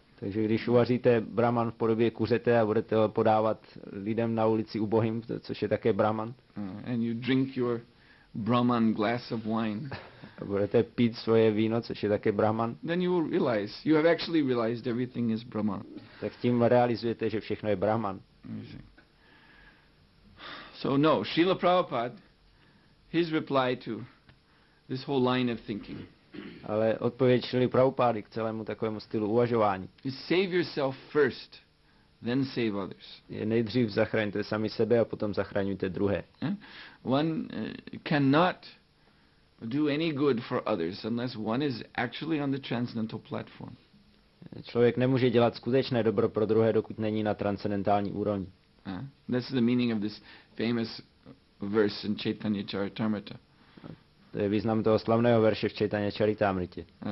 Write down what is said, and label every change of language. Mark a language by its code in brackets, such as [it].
[cs] Takže když uvaříte Brahman v podobě kuřete a budete ho podávat lidem na ulici ubohým, což je také Brahman. [en] And you drink your Brahman glass of wine. [cs] A budete pít svoje víno, což je také Brahman. [en] Then you will realize, you have actually realized everything is Brahman. [cs] Tak tím realizujete, že všechno je Brahman. [en] So no, Srila Prabhupada, his reply to this whole line of thinking. [cs] Ale odpověď Srily Prabhupády k celému takovému stylu uvažování. [en] Save yourself first, then save others. [cs] Je nejdřív zachraňte sami sebe a potom zachraňujte druhé. [en] One cannot do any good for others unless one is actually on the transcendental platform. [cs] Člověk nemůže dělat skutečné dobro pro druhé, dokud není na transcendentální úrovni. [en] This is the meaning of this famous verse in Chaitanya Charitamrita. [cs] To je význam toho slavného verše v Chaitanya Charitamritě.